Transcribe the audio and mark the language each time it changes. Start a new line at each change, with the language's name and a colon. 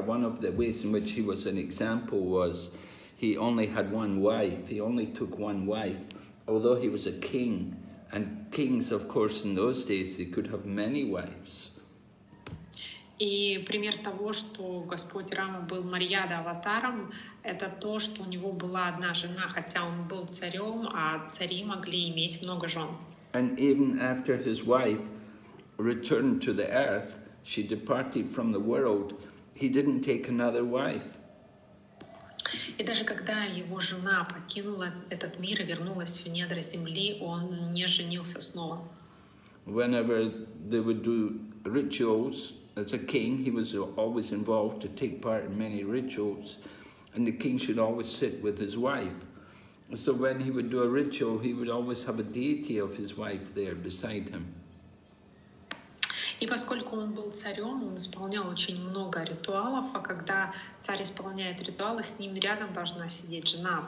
English: One of the ways in which he was an example was he only had one wife. He only took one wife, although he was a king. And kings, of course, in those days, they could have many wives.
Russian: И пример того, что Господь Рама был Мариада Аватаром, это то, что у него была одна жена, хотя он был царем, а цари могли иметь много жен.
English: And even after his wife returned to the earth, she departed from the world, he didn't take another wife.
Russian: И даже когда его жена покинула этот мир и вернулась в недра земли, он не женился снова.
English: Whenever they would do rituals, as a king, he was always involved to take part in many rituals, and the king should always sit with his wife. So when he would do a ritual, he would always have a deity of his wife there beside him.
Russian: И поскольку он был царем, он исполнял очень много ритуалов, а когда царь исполняет ритуалы, с ним рядом должна сидеть жена.